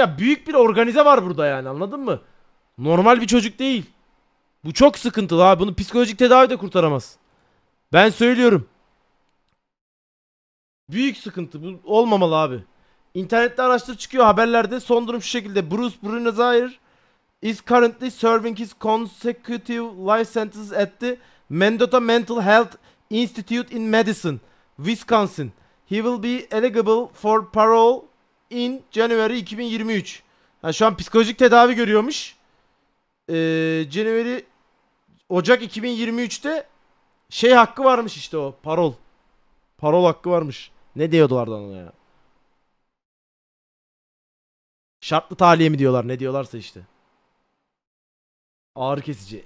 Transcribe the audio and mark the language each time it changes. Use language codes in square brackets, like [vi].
[tr] Ya büyük bir organize var burada yani, anladın mı? Normal bir çocuk değil. Bu çok sıkıntılı abi. Bunu psikolojik tedavi de kurtaramaz. Ben söylüyorum. Büyük sıkıntı. Bu olmamalı abi. İnternette araştır çıkıyor haberlerde. Son durum şu şekilde. [en] Bruce Brunazier is currently serving his consecutive life sentence at the Mendota Mental Health Institute in Madison, Wisconsin. He will be eligible for parole in January 2023. [tr] Yani şu an psikolojik tedavi görüyormuş. January, Ocak 2023'te şey hakkı varmış işte o. Parol. Parol hakkı varmış. Ne diyorlardı ona ya? Şartlı tahliye mi diyorlar? Ne diyorlarsa işte. Ağır kesici.